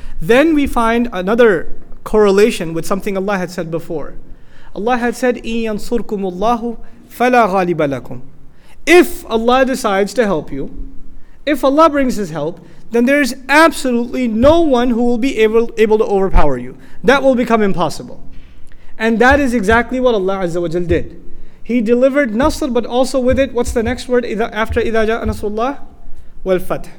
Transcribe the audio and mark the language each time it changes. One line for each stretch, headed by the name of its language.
English: Then we find another correlation with something Allah had said before. Allah had said,
Arabic: إِن يَنْصُرْكُمُ اللَّهُ فَلَا غَالِبَ لَكُمْ.
English: If Allah decides to help you, if Allah brings His help, then there is absolutely no one who will be able to overpower you. That will become impossible. And that is exactly what Allah Azza wa Jal did. He delivered Nasr, but also with it, what's the next word after
Arabic: إِذَا جَاءَ نَصْرُ اللَّهِ?
English: Well, Fath.